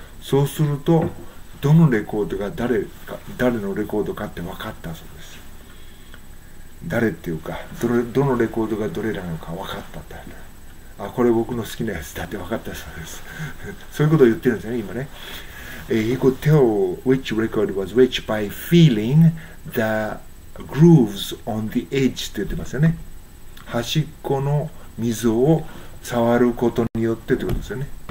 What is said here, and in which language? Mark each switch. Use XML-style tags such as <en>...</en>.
<ja>そうすると、どのレコードが誰のレコードかって分かったそうです。誰っていうか、どのレコードがどれなのか分かったって。あ、これ僕の好きなやつだって分かったそうです。そういうことを言ってるんですよね、今ね。</ja> <en>he could tell which record was which by feeling the grooves on the edge</en> <ja>って言ってますよね。端っこの溝を触ることによってってことですよね。</ja>